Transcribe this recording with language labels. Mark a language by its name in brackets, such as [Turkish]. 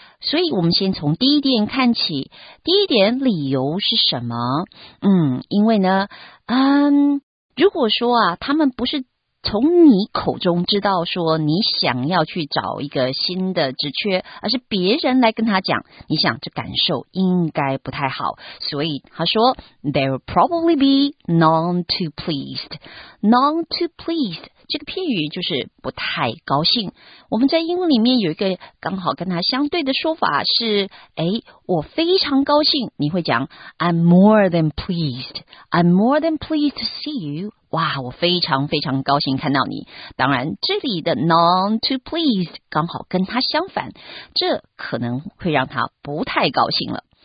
[Chinese] 所以我们先从第一点看起，第一点理由是什么？因为呢，如果说啊，他们不是从你口中知道说你想要去找一个新的职缺，而是别人来跟他讲，你想这感受应该不太好。所以他说 [English] ,there will probably be none too pleased. None too pleased. [Chinese] 这个片语就是不太高兴。我们在英文里面有一个刚好跟它相对的说法是，诶，我非常高兴。你会讲 [English] I'm more than pleased. I'm more than pleased to see you. [Chinese] 哇，我非常非常高兴看到你。当然这里的 [English] none too pleased [Chinese] 刚好跟它相反，这可能会让它不太高兴了。